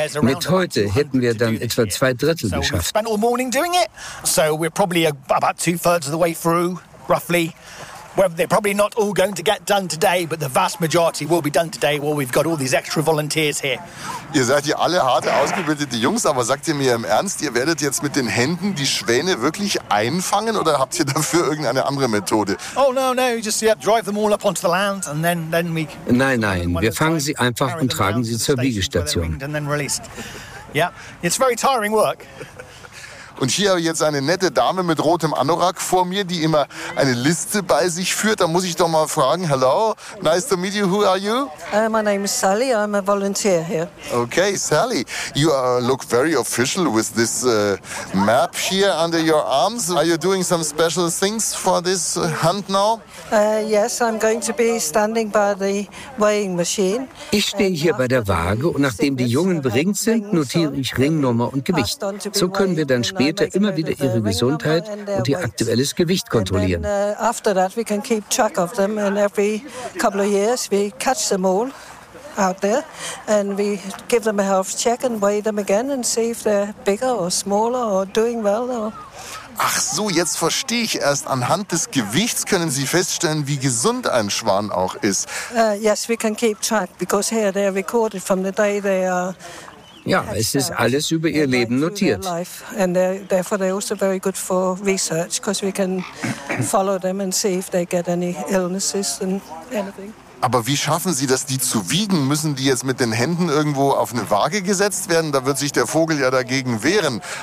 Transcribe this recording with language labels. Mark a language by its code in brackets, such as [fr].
[de] Mit heute hätten wir dann etwa zwei Drittel geschafft. [en] So we're probably about two-thirds of the way through, roughly. Well, they're probably not all going to get done today, but the vast majority will be done today. Well, we've got all these extra volunteers here. [de] Ihr seid hier alle harte, ausgebildete Jungs, aber sagt ihr mir im Ernst, ihr werdet jetzt mit den Händen die Schwäne wirklich einfangen oder habt ihr dafür irgendeine andere Methode? [en] Oh, no, no, just yeah, drive them all up onto the land and then we... [de] Nein, nein, wir fangen sie einfach und tragen sie zur Wiegestation. [en] And then released. Yeah, it's very tiring work. [de] Und hier habe ich jetzt eine nette Dame mit rotem Anorak vor mir, die immer eine Liste bei sich führt. Da muss ich doch mal fragen, [en] hello, nice to meet you, who are you? My name is Sally, I'm a volunteer here. Okay, Sally, you look very official with this map here under your arms. Are you doing some special things for this hunt now? Yes, I'm going to be standing by the weighing machine. [de] Ich stehe hier bei der Waage und nachdem die Jungen beringt sind, notiere ich Ringnummer und Gewicht. So können wir dann später immer wieder ihre Gesundheit und ihr aktuelles Gewicht kontrollieren. [en] After that we can keep track of them and every couple of years we catch them all out there and we give them a health check and weigh them again and see if they're bigger or smaller or doing well or. [de] Ach so, jetzt verstehe ich erst. Anhand des Gewichts können Sie feststellen, wie gesund ein Schwan auch ist. [en] Yes, we can keep track because here they are recorded from the day they are. [de] Ja, es ist alles über ihr Leben notiert. [en] And therefore they're also very good for research because we can follow them and see if they get any illnesses and anything. [de] Aber wie schaffen Sie das, die zu wiegen? Müssen die jetzt mit den Händen irgendwo auf eine Waage gesetzt werden? Da wird sich der Vogel ja dagegen wehren.